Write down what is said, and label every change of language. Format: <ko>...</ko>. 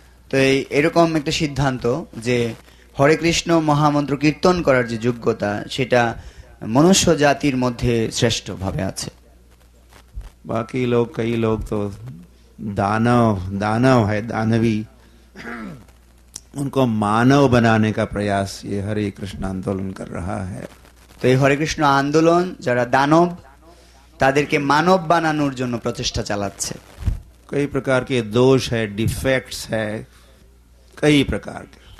<bn>तो এরকম একটা সিদ্ধান্ত যে হরে কৃষ্ণ মহামন্ত্র কীর্তন করার যে যোগ্যতা সেটা মনুষ্য জাতির মধ্যে শ্রেষ্ঠ ভাবে আছে। বাকি লোক কই লোক তো দানব দানব হয় দানবী,</bn> <hi>उनको मानव बनाने का प्रयास ये हरे कृष्ण आंदोलन कर रहा है। तो ये हरे कृष्ण आंदोलन</hi> <bn>যারা দানব তাদেরকে মানব বানানোর জন্য প্রচেষ্টা চালাচ্ছে।</bn> <hi>कई प्रकार के दोष है डिफेक्ट्स है कई प्रकार के</hi>